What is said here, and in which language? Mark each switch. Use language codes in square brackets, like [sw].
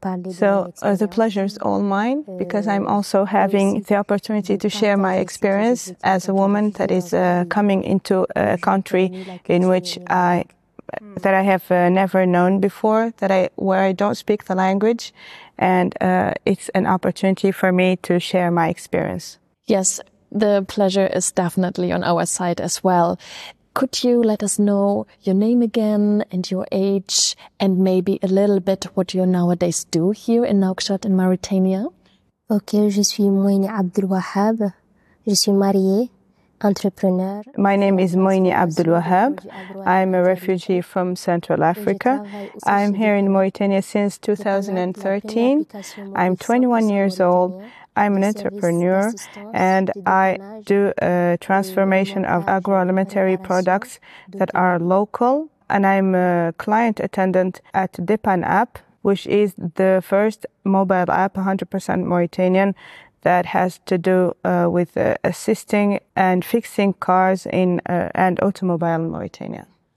[en] So the pleasure is all mine because I'm also having the opportunity to share my experience as a woman that is coming into a country in which I have never known before, where I don't speak the language, and it's an opportunity for me to share my experience. Yes, the pleasure is definitely on our side as well. Could you let us know your name again and your age and maybe a little bit what you nowadays do here in Nouakchott in Mauritania? [fr] Okay, je suis Moïni Abdel Wahab. Je suis mariée, entrepreneur. [en] My name is Moïni Abdel Wahab. I'm a refugee from Central Africa. I'm here in Mauritania since 2013. I'm 21 years old. I'm an entrepreneur and I do a transformation of agroalimentary products that are local, and I'm a client attendant at Dépan App, which is the first mobile app 100% Mauritanian that has to do with assisting and fixing cars in and automobile in Mauritania.